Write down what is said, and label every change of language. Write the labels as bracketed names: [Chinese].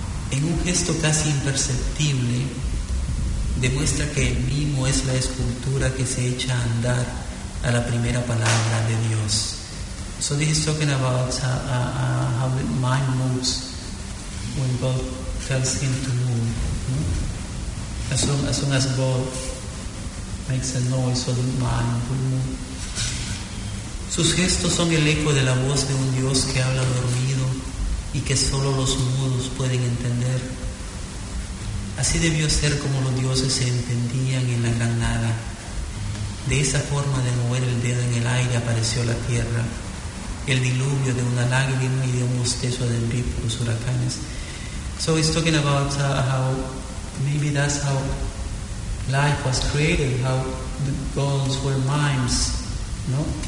[Spanish] En un gesto casi imperceptible, demuestra que el mimo es la escultura que se echa a andar a la primera palabra de Dios. [English] So this is talking about how the mind moves when God tells him to move. No? As soon as God makes a noise, so the mind will move. [Spanish] Sus gestos son el eco de la voz de un Dios que habla dormido y que solo los mudos pueden entender. Así debió ser como los dioses se entendían en la gran nada. De esa forma de mover el dedo en el aire apareció la tierra, el diluvio de una lágrima y de un bostezo de víboras huracanes. [English] So he's talking about how maybe that's how life was created, how the gods were mimes, no?